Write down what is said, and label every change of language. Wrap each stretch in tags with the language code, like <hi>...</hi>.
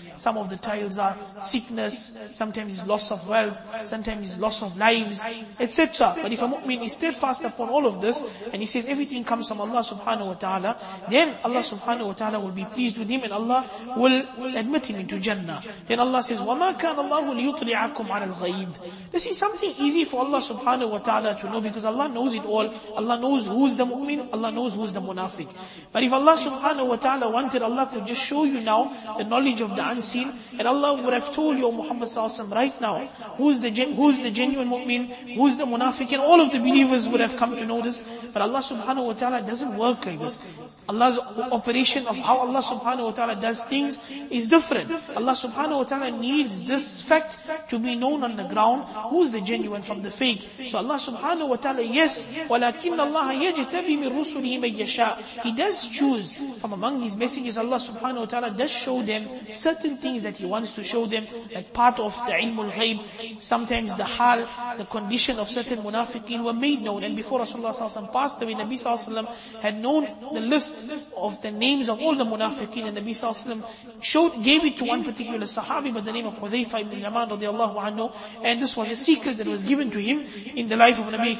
<en>Some of the trials are sickness, sometimes loss of wealth, sometimes loss of lives, etc. But if a mu'min is steadfast upon all of this and he says everything comes from Allah subhanahu wa ta'ala, then Allah subhanahu wa ta'ala will be pleased with him and Allah will admit him into Jannah. Then Allah says,</en> <ar>وَمَا كَانَ اللَّهُ لِيُطْلِعَكُمْ عَلَى الْغَيْبِ.</ar> <en>This is something easy for Allah subhanahu wa ta'ala to know, because Allah knows it all. Allah knows who's the mu'min, Allah knows who's the munafiq. But if Allah subhanahu wa ta'ala wanted, Allah could just show you now the knowledge of the unseen, and Allah would have told you, O Muhammad sallallahu alaihi wasallam, right now, who's the genuine mu'min, who's the munafiq, and all of the believers would have come to know this. But Allah subhanahu wa ta'ala doesn't work like this. Allah's operation of how Allah subhanahu wa ta'ala does things is different. Allah subhanahu wa ta'ala needs this fact to be known on the ground, who's the genuine from the fake. So Allah subhanahu wa ta'ala, yes,</en> <ar>ولكن الله يجتبي من رسله من يشاء.</ar> <en>He does choose from among his messengers. Allah subhanahu wa ta'ala does show them certain things that he wants to show them, like part of the ilmul ghayb. Sometimes the hal, the condition of certain munafiqin were made known. And before Rasulullah sallallahu alaihi wasallam passed away, Nabi sallallahu alaihi wasallam had known the list of the names of all the munafiqin, and Nabi sallallahu alaihi wasallam gave it to one particular sahabi by the name of Hudhayfa ibn Yaman radiallahu anhu, and this was a secret that was given to him in the life of Nabi</en>